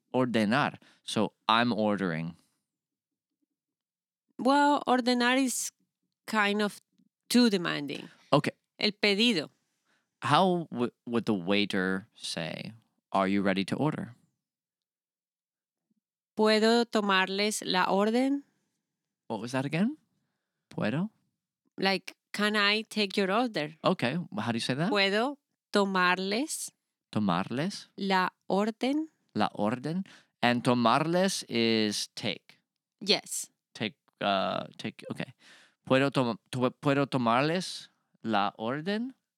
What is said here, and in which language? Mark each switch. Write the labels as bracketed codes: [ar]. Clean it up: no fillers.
[en] Ordenar. So I'm ordering. Well, ordenar is kind of too demanding. Okay. [es] El pedido. [en] How would the waiter say, are you ready to order? [es] ¿Puedo tomarles la orden? [en] What was that again? ¿Puedo? Like, can I take your order? Okay. How do you say that? [es] ¿Puedo tomarles? ¿Tomarles? La orden. La orden. [en] And tomarles is take. Yes. Take. Okay. [es] ¿Puedo tomarles? La orden?